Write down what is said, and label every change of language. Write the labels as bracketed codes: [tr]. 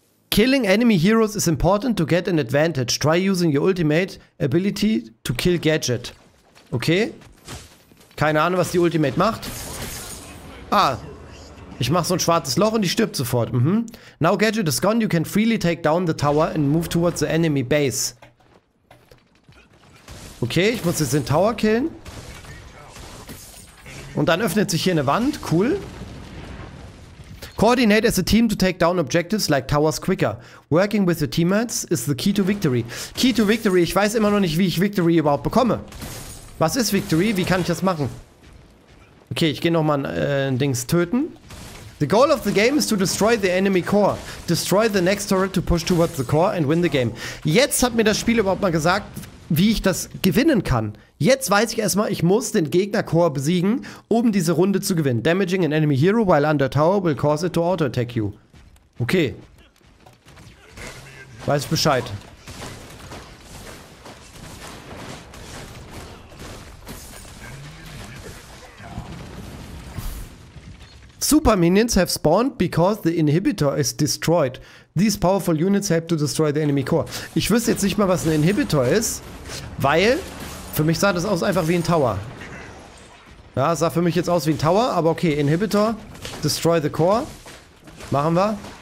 [en] Killing enemy heroes is important to get an advantage. Try using your ultimate ability to kill gadget. Okay. [de] Keine Ahnung, was die Ultimate macht. Ah. Ich mache so ein schwarzes Loch und die stirbt sofort. Mhm. [en] Now gadget is gone, you can freely take down the tower and move towards the enemy base. [de] Okay, ich muss jetzt den Tower killen. Und dann öffnet sich hier eine Wand. [en] Cool. Coordinate as a team to take down objectives like towers quicker. Working with your teammates is the key to victory. Key to victory. [de] Ich weiß immer noch nicht, wie ich Victory überhaupt bekomme. Was ist Victory? Wie kann ich das machen? Okay, ich gehe nochmal ein Dings töten. [en] The goal of the game is to destroy the enemy core. Destroy the next turret to push towards the core and win the game. [de] Jetzt hat mir das Spiel überhaupt mal gesagt, wie ich das gewinnen kann. Jetzt weiß ich erstmal, ich muss den Gegner-Core besiegen, um diese Runde zu gewinnen. [en] Damaging an enemy hero while under tower will cause it to auto-attack you. Okay. [de] Weiß ich Bescheid. [en] Super Minions have spawned because the inhibitor is destroyed. These powerful units help to destroy the enemy core. [de] Ich wüsste jetzt nicht mal, was ein Inhibitor ist, weil für mich sah das aus einfach wie ein Tower. Ja, sah für mich jetzt aus wie ein Tower, aber okay, Inhibitor, [en] destroy the core. [de] Machen wir.